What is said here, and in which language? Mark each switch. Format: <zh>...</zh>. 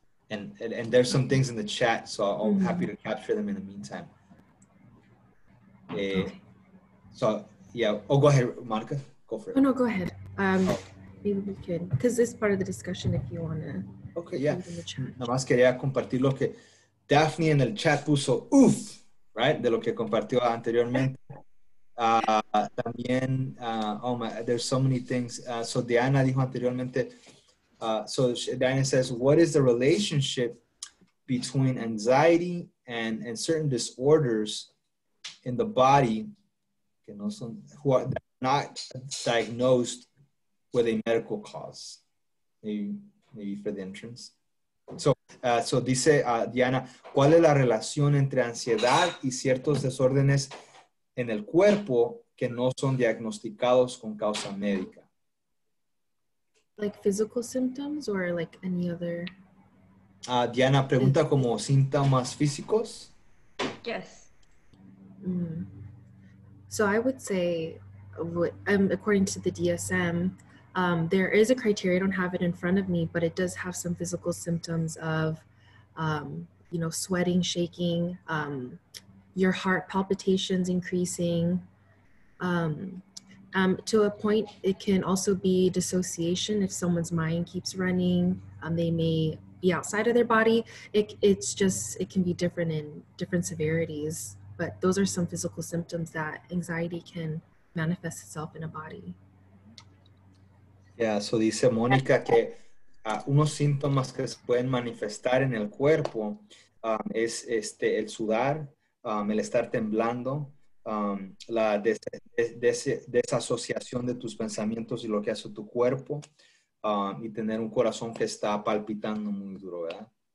<en>And there's some things in the chat, so I'm happy to capture them in the meantime. Go ahead, Monica. Go for it. Oh, no, go ahead. Maybe we can, because this is part of the discussion if you want to. Okay, yeah.</en> <es>Nada más quería compartir lo que Daphne en el chat puso, uff,</es> <en>right?</en> <es>De lo que compartió anteriormente. También,</es> <en>there's so many things. So Diana</en> <es>dijo anteriormente,</es> <en>Diana says, what is the relationship between anxiety and certain disorders in the body who are not diagnosed with a medical cause? Maybe for the entrance.</en> <es>So dice Diana, ¿cuál es la relación entre ansiedad y ciertos desórdenes en el cuerpo que no son diagnosticados con causa médica?</es> <en>Like physical symptoms or like any other?</en> <es>Diana pregunta como síntomas físicos.</es> <en>Yes. So I would say, according to the DSM, there is a criteria. I don't have it in front of me, but it does have some physical symptoms of, sweating, shaking, your heart palpitations increasing. To a point, it can also be dissociation. If someone's mind keeps running, they may be outside of their body. It can be different in different severities. But those are some physical symptoms that anxiety can manifest itself in a body.</en> <es>Yeah, so dice Mónica que unos síntomas que se pueden manifestar en el cuerpo es el sudar, el estar temblando, la desasociación de tus pensamientos y lo que hace tu cuerpo, y tener un corazón que está palpitando muy duro, ¿verdad?</es>